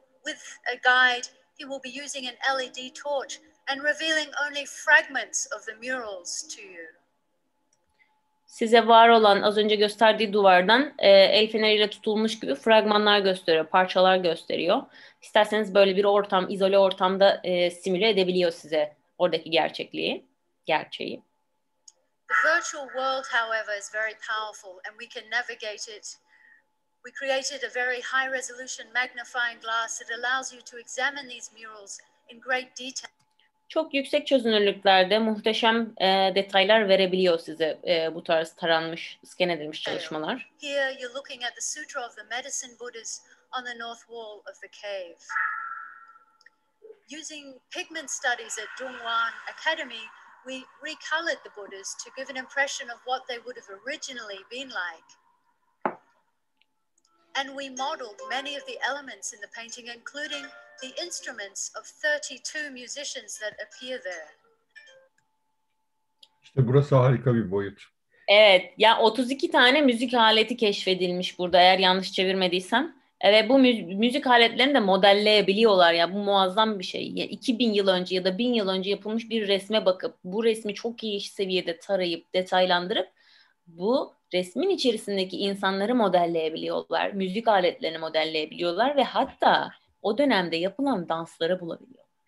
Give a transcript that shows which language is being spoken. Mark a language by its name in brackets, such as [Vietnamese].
[English] With a guide, he will be using an LED torch and revealing only fragments of the murals to you. [Turkish] Size var olan, az önce gösterdiği duvardan el feneriyle tutulmuş gibi fragmanlar gösteriyor, parçalar gösteriyor. İsterseniz böyle bir ortam, izole ortamda simüle edebiliyor size oradaki gerçekliği, gerçeği. [English] The virtual world, however, is very powerful and we can navigate it. We created a very high resolution magnifying glass that allows you to examine these murals in great detail. [Turkish] Çok yüksek çözünürlüklerde muhteşem detaylar verebiliyor size bu tarz taranmış, scan edilmiş çalışmalar. [English] Here you're looking at the Sutra of the Medicine Buddhas on the north wall of the cave. Using pigment studies at Dongguan Academy, we recolored the Buddhas to give an impression of what they would have originally been like. And we modeled many of the elements in the painting, including the instruments of 32 musicians that appear there. [Turkish] İşte burası harika bir boyut. Evet, ya 32 tane müzik aleti keşfedilmiş burada, eğer yanlış çevirmediysem. Evet, bu müzik aletlerini de modelleyebiliyorlar ya, bu muazzam bir şey. Ya 2000 yıl önce ya da 1000 yıl önce yapılmış bir resme bakıp bu resmi çok iyi seviyede tarayıp detaylandırıp bu resmin içerisindeki insanları modelleyebiliyorlar, müzik aletlerini modelleyebiliyorlar ve hatta o dönemde yapılan dansları bulabiliyorlar.